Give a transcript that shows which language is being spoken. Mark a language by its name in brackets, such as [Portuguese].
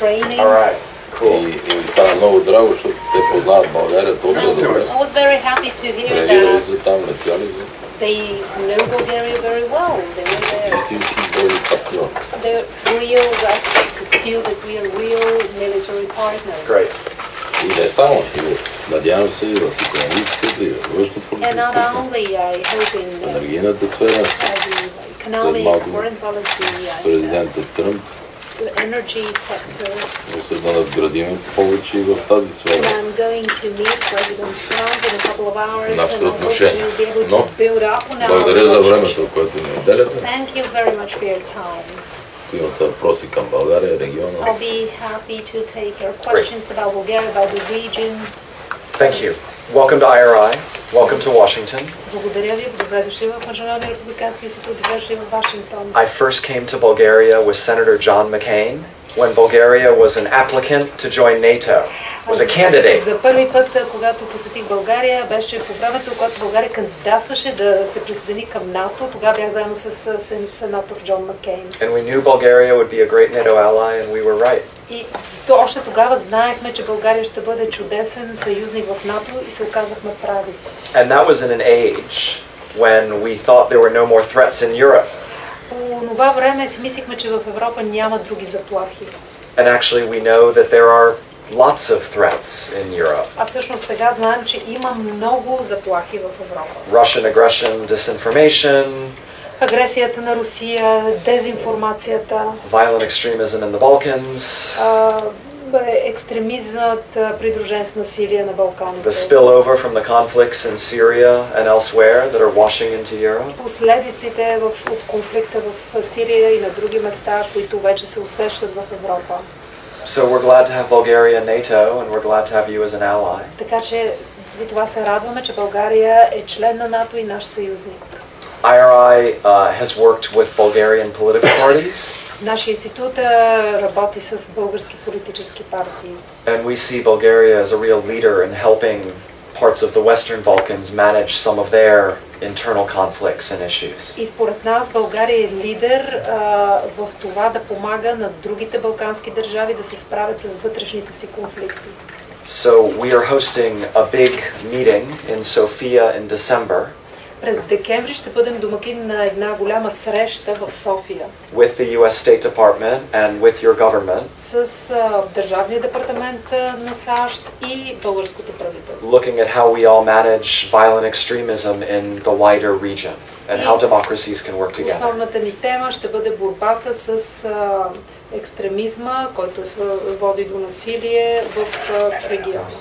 [Bulgarian] И това е много драго, защото те познават България, то много добре. [English] I was very happy to hear that. [Bulgarian] Преди да са там летяли. [English] They know Bulgaria very well. They were there. [Bulgarian] Истински бойни партньори. [English] They're real, that they could feel that we are real military partners. Great. [Bulgarian] И не само, и надявам се и в икономическата, и в външнополитическата. [English] And not only, I hope in the... [Bulgarian] Енергийната сфера. [English] Economic, [Bulgarian] малко, [English] foreign policy, I know. [Bulgarian] Президентът Тръмп. [English] Energy sector. [Bulgarian] Мисля да надградим повече и в тази сфера. [English] And I'm going to meet President Trump in a couple of hours. [Bulgarian] Но, благодаря за времето, което ни отделяте. [English] Thank you very much for your time. [Bulgarian] Ако имате въпроси към България, региона. [English] I'll be happy to take your questions about Bulgaria, about the region. Thank you. Welcome to IRI. Welcome to Washington. [Bulgarian] Благодаря ви. Добре дошли в Международния републикански институт. Добре дошли в Вашингтон. [English] I first came to Bulgaria with Senator John McCain when Bulgaria was an applicant to join NATO. Was a candidate. [Bulgarian] За първи път, когато посетих България, беше по времето, когато България кандидатстваше да се присъедини към НАТО. Тогава бях заедно с сенатор Джон Маккейн. [English] And we knew Bulgaria would be a great NATO ally and we were right. [Bulgarian] И още тогава знаехме, че България ще бъде чудесен съюзник в НАТО и се оказахме прави. [English] And that was in an age when we thought there were no more threats in Europe. [Bulgarian] По това време си мислихме, че в Европа няма други заплахи. [English] And actually we know that there are lots of threats in Europe. [Bulgarian] А всъщност сега знаем, че има много заплахи в Европа. [English] Russian aggression, disinformation. [Bulgarian] Агресията на Русия, дезинформацията. [English] Violent extremism in the Balkans. [Bulgarian] Екстремизмът, придружен с насилие на Балканите. [English] The spillover from the conflicts in Syria and elsewhere that are washing into Europe. [Bulgarian] Последиците от конфликта в Сирия и на други места, които вече се усещат в Европа. [English] So we're glad to have Bulgaria in NATO and we're glad to have you as an ally. [Bulgarian] Така че затова се радваме, че България е член на НАТО и наш съюзник. [English] IRI has worked with Bulgarian political parties. [Bulgarian] Нашия институт работи с български политически партии. [English] And we see Bulgaria as a real leader in helping parts of the Western Balkans manage some of their internal conflicts and issues. [Bulgarian] И според нас България е лидер в това да помага на другите балкански държави да се справят с вътрешните си конфликти. [English] So we are hosting a big meeting in Sofia in December. [Bulgarian] През декември ще бъдем домакин на една голяма среща в София. [English] With the US State Department and with your government. [Bulgarian] С Държавния департамент на САЩ и българското правителство. [English] Looking at how we all manage violent extremism in the wider region and how democracies can work together. [Bulgarian] Основната ни тема ще бъде борбата с екстремизма, който води до насилие в региона.